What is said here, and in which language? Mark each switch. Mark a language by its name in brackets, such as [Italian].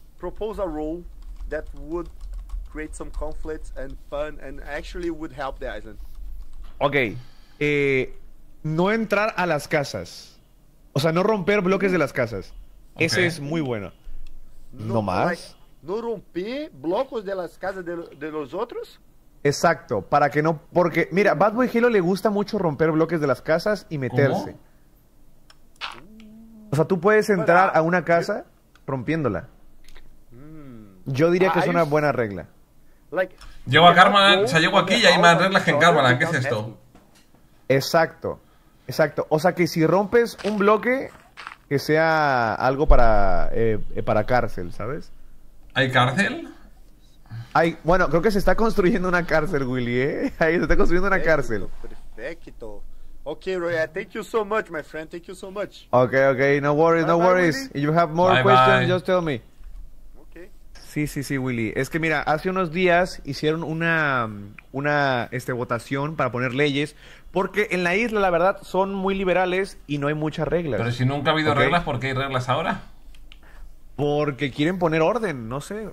[English] Propose a rule that would create some conflicts and fun and actually would help the island. [Spanish] Ok. No entrar a las casas. O sea, no romper bloques de las casas. Okay. Ese es muy bueno. No, no más. Like, no romper bloques de las casas de los otros. Exacto. Para que no. Porque, mira, Bad Boy Halo le gusta mucho romper bloques de las casas y meterse. ¿Cómo? O sea, tú puedes entrar a una casa rompiéndola. Yo diría que es una buena regla. Llego a Karma, o sea, llego aquí y hay más reglas que en Karma. ¿Qué es esto? Exacto. O sea que si rompes un bloque, que sea algo para cárcel, ¿sabes? ¿Hay cárcel? Hay, bueno, creo que se está construyendo una cárcel, Willy, ¿eh? Ahí se está construyendo una cárcel. Perfecto. [English] Ok, Roy, thank you so much, my friend. Thank you so much. Ok, no worries, Willy. If you have more questions, just tell me. Ok. [Spanish] Sí, Willy. Es que mira, hace unos días hicieron una votación para poner leyes, porque en la isla, la verdad, son muy liberales y no hay muchas reglas. Pero si nunca ha habido reglas, ¿por qué hay reglas ahora? Porque quieren poner orden, no sé.